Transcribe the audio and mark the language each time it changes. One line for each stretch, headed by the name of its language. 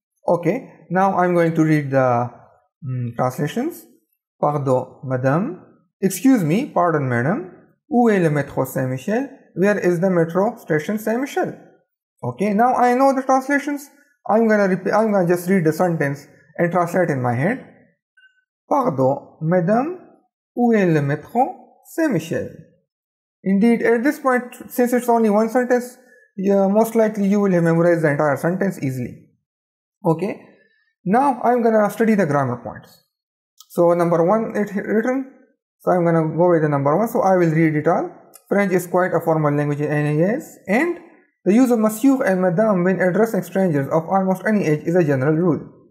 English: Okay, now I'm going to read the translations.
French: Pardon, madame.
English: Excuse me,
French: pardon, madame. Où est le métro Saint-Michel?
English: Where is the metro station Saint-Michel? Okay, now I know the translations. I'm gonna just read the sentence and translate in my head.
French: Pardon, madame, où est le métro Saint-Michel?
English: Indeed, at this point, since it's only one sentence, most likely you will have memorized the entire sentence easily. Okay, now I'm gonna study the grammar points. So number one, it's written. So I'm gonna go with the number one. So I will read it all. French is quite a formal language in NAS, and the use of monsieur and madame when addressing strangers of almost any age is a general rule.